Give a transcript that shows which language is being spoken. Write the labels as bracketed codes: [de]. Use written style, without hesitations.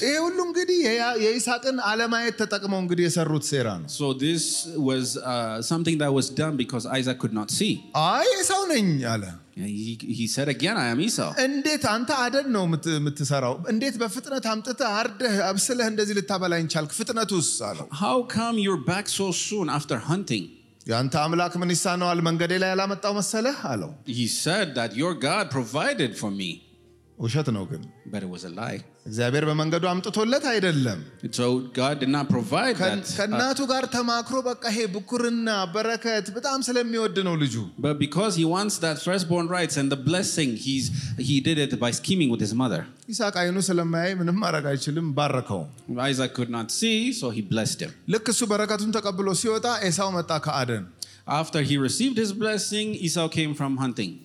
[am] ይሄ ሁሉ እንግዲህ የኢሳቅን አለማየት ተጠቅመው እንግዲህ የሰሩት ሴራ ነው [en] So this was something that was done because Isaac could not see [am] አይ ኢሳው ነኝ አለ [en] He said again, I am Esau. [am] እንዴት አንተ አደን ነው የምትሰራው? እንዴት በፍጥነት አምጥተህ አርደህ አብስለህ እንደዚህ ልታበላኝ ቻልክ? ፍጥነቱስ አለው። [en] How come you're back so soon after hunting? [am] ያንተ አምላክ ምን ይሳነዋል መንገዴ ላይ ያላመጣው መሰለህ? አለው። [en] He said that your God provided for me. [am] ውሸት ነው ግን። [en] But it was a lie. [am] እግዚአብሔር በመንገዱ አምጥቶለት አይደለም። [en] So God did not provide that. [am] ከእናቱ ጋር ተማክሮ በቃ ይሄ ብኩርና በረከት በጣም ስለሚወድ ነው ልጁ። [en] But because he wants that firstborn rights and the blessing, he did it by scheming with his mother. [am] ይስሐቅ አይኑ ስለማያይ ምንም ማድረግ አይችልም ባረከው። [en] Isaac could not see, so he blessed him. [am] ልክ እሱ በረከቱን ተቀብሎ ሲወጣ ኤሳው መጣ ከአደን። [en] After he received his blessing, Esau came from hunting.